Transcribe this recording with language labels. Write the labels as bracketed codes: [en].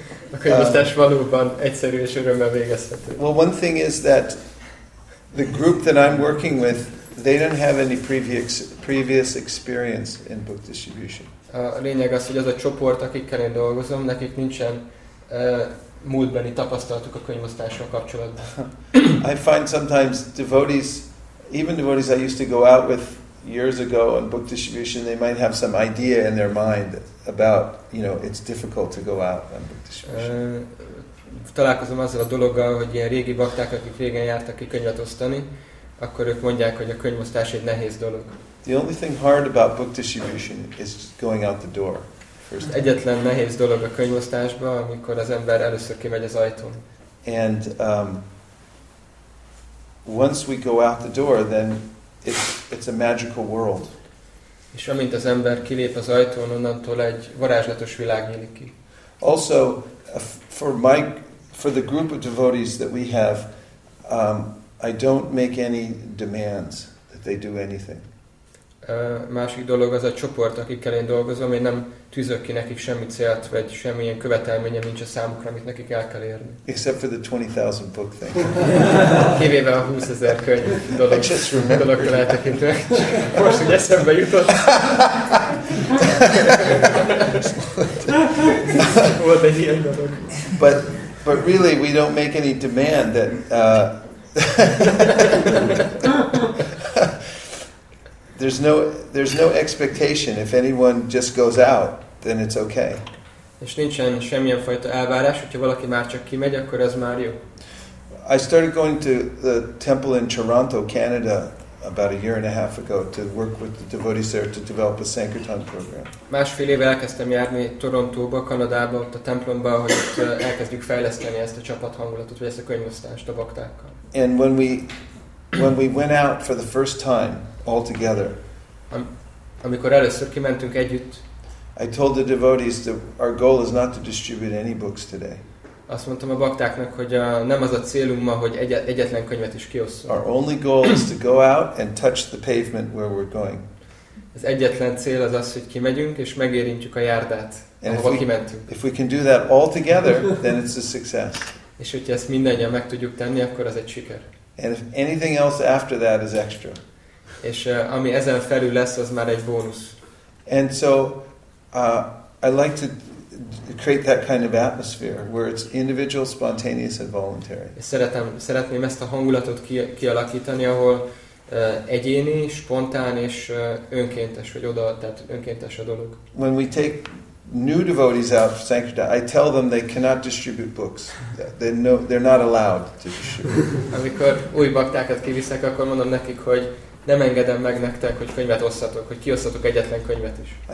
[hu] A könyvosztás valóban egyszerű és örömmel végezhető. [en] Well, one thing is that the group that I'm working with, they don't have any previous experience in book distribution. [hu] A lényeg az, hogy az a csoport, akikkel én dolgozom, nekik nincsen múltbeni tapasztalatuk a könyvosztással kapcsolatban. [en] I find sometimes devotees, even devotees I used to go out with years ago on book distribution, they might have some idea in their mind about, you know, it's difficult to go out on book distribution. [hu] Találkozom azzal a dologgal, hogy ilyen régi bakták, akik régen jártak ki könyvet osztani, akkor ők mondják, hogy a könyvosztás egy nehéz dolog. [en] The only thing hard about book distribution is going out the door. First. [hu] Egyetlen nehéz dolog a könyvosztásban, amikor az ember először kimegy az ajtón. [en] And once we go out the door, then it's a magical world. [hu] És amint az ember kilép az ajtón, onnantól egy varázslatos világ nyílik ki. [en] Also, for the group of devotees that we have, I don't make any demands that they do anything. [hu] Másik dolog az a csoport, akikkel én dolgozom, én nem tűzök ki nekik semmi célt, vagy semmilyen követelménye nincs a számukra, amit nekik el kell érni. [en] Except for the 20,000 book thing. [hu] Kivéve a 20,000 könyv dolog. [en] I just remembered dolog [hu] that. Lehetekintve. Most, hogy eszembe jutott. Volt egy ilyen dolog. [en] But really, we don't make any demand that There's no expectation. If anyone just goes out, then it's okay. [hu] És nincsen semmilyen fajta elvárás, hogyha valaki már csak kimegy, akkor ez már jó. [en] I started going to the temple in Toronto, Canada, about a year and a half ago to work with the devotees there to develop a Sankirtan program. [hu] Másfél éve elkezdtem járni Torontóba, Kanadába, ott a templomba, hogy ott elkezdjük fejleszteni ezt a csapathangulatot, vagy ezt a könyvosztást a baktákkal. [en] And when we went out for the first time all together, [hu] amikor először kimentünk együtt, [en] I told the devotees that our goal is not to distribute any books today. [hu] Azt mondtam a baktáknak, hogy nem az a célunk ma, hogy egyetlen könyvet is kiosszunk. [en] Our only goal is to go out and touch the pavement where we're going. [hu] Az egyetlen cél az az, hogy kimegyünk és megérintjük a járdát, ahova kimentünk. [en] If we can do that all together, then it's a success. [hu] És hogyha ezt mindannyian meg tudjuk tenni, akkor az egy siker. [en] And if anything else after that is extra. [hu] És ami ezen felül lesz, az már egy bónusz. [en] And so I like to create that kind of atmosphere where it's individual, spontaneous, and voluntary. [hu] Szeretném ezt a hangulatot kialakítani, ahol egyéni, spontán és önkéntes, vagy oda, tehát önkéntes a dolog. [en] When we take new devotees out for sankirtan, I tell them they cannot distribute books. They're not allowed to distribute. [hu] Amikor új baktákat kiviszek, akkor mondom nekik, hogy nem engedem meg nektek, hogy könyvet osszatok, hogy kiosszatok egyetlen könyvet is.